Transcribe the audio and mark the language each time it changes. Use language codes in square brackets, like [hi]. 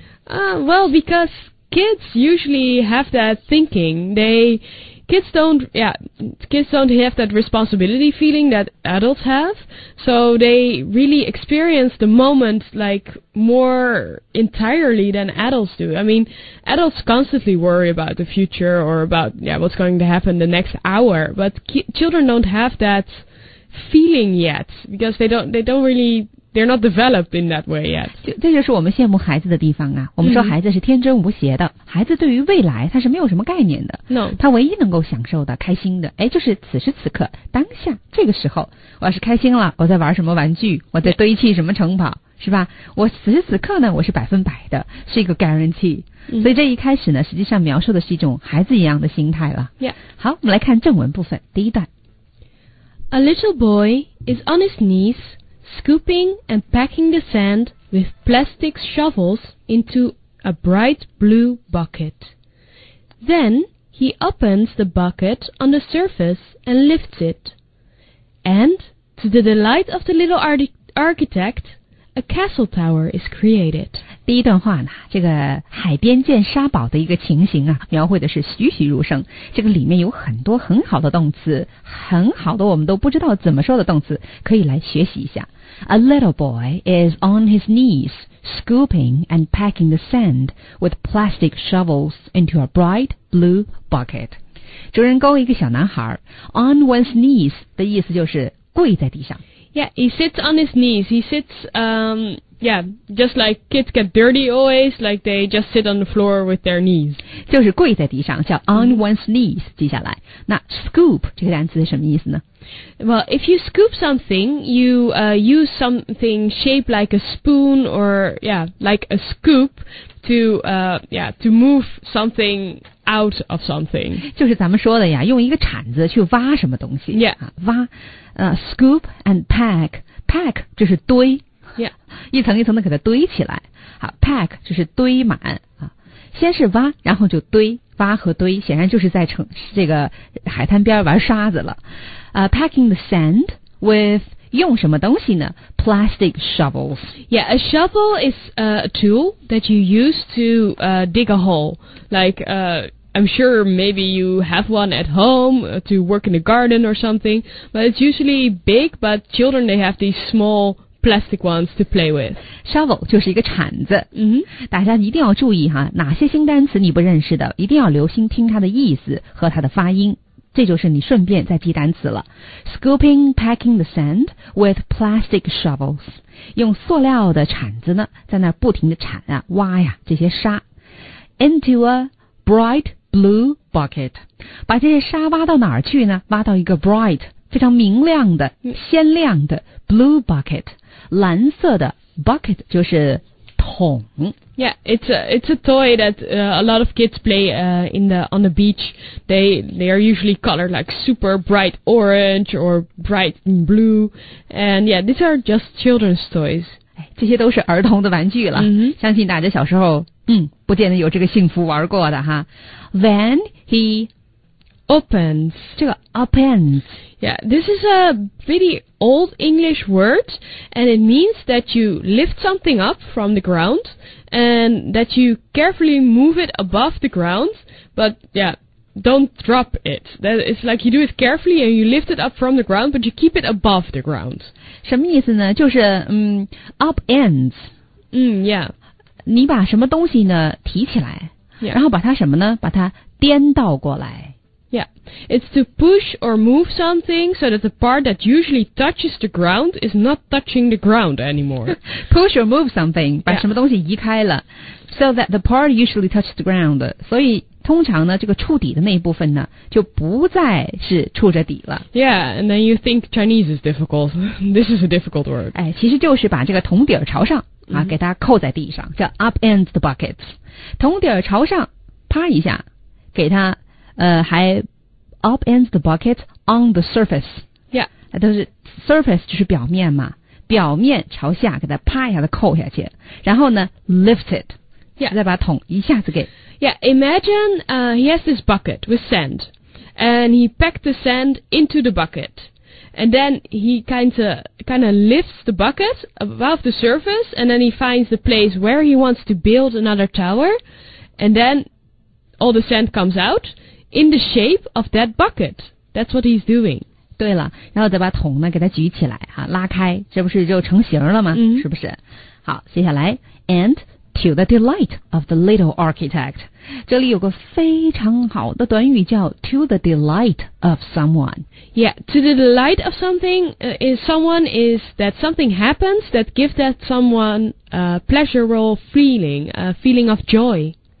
[en] Well, because kids usually have that thinking Kids don't have that responsibility feeling that adults have, so they really experience the moment like more entirely than adults do. I mean, adults constantly worry about the future or about what's going to happen the next hour, but children don't have that feeling yet because they're not developed in that way yet. [zh] 这就是我们羡慕孩子的地方啊。我们说孩子是天真无邪的、mm-hmm. 孩子对于未来他是没有什么概念的。 [en] No. [zh] 他唯一能够享受的开心的哎就是此时此刻当下这个时候我要是开心了我在玩什么玩具我在堆砌什么城堡、yeah. 是吧我此时此刻呢我是百分百的是一个 guarantee.、 [en] Mm-hmm. [zh] 所以这一开始呢实际上描述的是一种孩子一样的心态了。 [en] Yeah. [zh] 好我们来看正文部分第一段。 [en] A little boy is on his knees,Scooping and packing the sand with plastic shovels into a bright blue bucket. Then he opens the bucket on the surface and lifts it. And, to the delight of the little architect, a castle tower is created. [zh] 第一段话呢，这个海边建沙堡的一个情形啊，描绘的是栩栩如生。这个里面有很多很好的动词，很好的我们都不知道怎么说的动词，可以来学习一下。 [en] A little boy is on his knees, scooping and packing the sand with plastic shovels into a bright blue bucket. [zh] 主人公一个小男孩 [en] on one's knees [zh] 的意思就是跪在地上。 [en] Yeah, he sits on his knees. He sits, just like kids get dirty always, like they just sit on the floor with their knees. [zh] 就是跪在地上叫 [en] on one's knees, [zh] 记下来。那 scoop 这个单词是什么意思呢 [en] Well, if you scoop something, you、use something shaped like a spoon or, like a scoop to move something out of something. [zh] 就是咱们说的呀，用一个铲子去挖什么东西。 [en] Yeah. [zh] 挖、 [en] scoop and pack. [zh] Pack 就是堆。 [en] Yeah. [zh] 一层一层的给它堆起来。好 ,pack 就是堆满。先是挖然后就堆挖和堆显然就是在这个海滩边玩沙子了。 [en] Packing the sand with, [zh] 用什么东西呢 ？ [en] Plastic shovels. Yeah, a shovel is a tool that you use to dig a hole. Like, I'm sure maybe you have one at home to work in the garden or something. But it's usually big, but children, they have these small plastic ones to play with. [zh] Shovel 就是一个铲子。 [en] Mm-hmm. [zh] 大家一定要注意哈，哪些新单词你不认识的，一定要留心听它的意思和它的发音。这就是你顺便在记单词了。 [en] Scooping, packing the sand with plastic shovels. [zh] 用塑料的铲子呢，在那儿不停地铲啊，挖呀，这些沙。 [en] Into a bright blue bucket. [zh] 把这些沙挖到哪儿去呢？挖到一个 bright, 非常明亮的、鲜亮的 [en] blue bucket. [zh] 蓝色的 bucket 就是桶。 [en] Yeah, it's a toy that a lot of kids play on the beach. They are usually colored like super bright orange or bright blue. And yeah, these are just children's toys. [zh] 这些都是儿童的玩具了。 [en] Mm-hmm. [zh] 相信大家小时候，不见得有这个幸福玩过的哈。 [en] Then he opens. [zh] 这个 opens. [en] Yeah, this is a pretty old English word, and it means that you lift something up from the ground. And that you carefully move it above the ground, but yeah, don't drop it. It's like you do it carefully and you lift it up from the ground, but you keep it above the ground. [zh] 什么意思呢？就是upends. [en] Yeah. [zh] 你把什么东西呢提起来， [en] yeah. [zh] 然后把它什么呢？把它颠倒过来。 [en] Yeah, it's to push or move something so that the part that usually touches the ground is not touching the ground anymore. Push or move something, [zh] 把什么东西移开了 [en] so that the part usually touches the ground. [zh] 所以通常呢，这个触底的那一部分呢，就不再是触着底了。 [en] Yeah, and then you think Chinese is difficult. This is a difficult word. [zh] 哎，其实就是把这个桶底儿朝上啊，给它扣在地上，叫 [en] upend the buckets. [zh] 桶底儿朝上，啪一下，给它。还 [en] upends the bucket on the surface. Yeah. [zh] 都是 surface 就是表面嘛。表面朝下给它啪一下子扣下去。然后呢 [en] lift it. Yeah. [zh] 再把桶一下子给。 [en] Yeah, imagine, he has this bucket with sand. And he packed the sand into the bucket. And then he kind of lifts the bucket above the surface. And then he finds the place where he wants to build another tower. And then all the sand comes out. In the shape of that bucket. That's what he's doing. [zh] 对了，然后再把桶呢给它举起来哈，拉开，这不是就成型了吗？是不是？好，接下来 [en] ，and to the delight of the little architect. [zh] 这里有个非常好的短语叫 to the delight of someone. [en] Yeah, to the delight of something is someone is that something happens that gives that someone a pleasurable feeling, a feeling of joy.